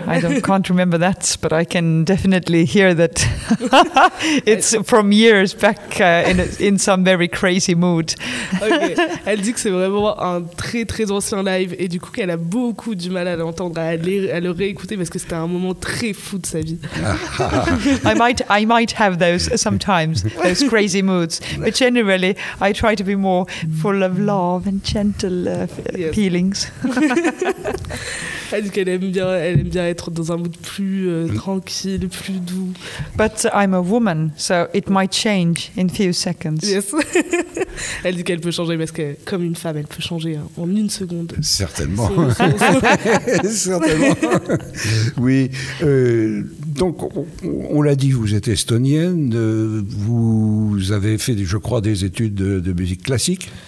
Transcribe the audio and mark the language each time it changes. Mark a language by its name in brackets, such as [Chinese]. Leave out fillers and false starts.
[English] I can't remember that, but I can definitely hear that it's from years back in some very crazy mood. Okay. [French] Elle dit que c'est vraiment un très très ancien live et du coup qu'elle a beaucoup du mal à l'entendre, à le réécouter parce que c'était un moment très fou de sa vie. [English] I might have those sometimes, those crazy moods. But generally, I try to be more full of love and gentle yes. feelings. [French] Elle dit qu'elle aime bien, être dans un mood plus tranquille, plus doux. [English] But I'm a woman, so it might change in few seconds. Yes. [French] Elle dit qu'elle peut changer parce que, comme une femme, elle peut changer en une seconde. Certainement. Certainement. Oui. Donc, on l'a dit, vous êtes estonienne. Vous avez fait, je crois, des études de musique classique.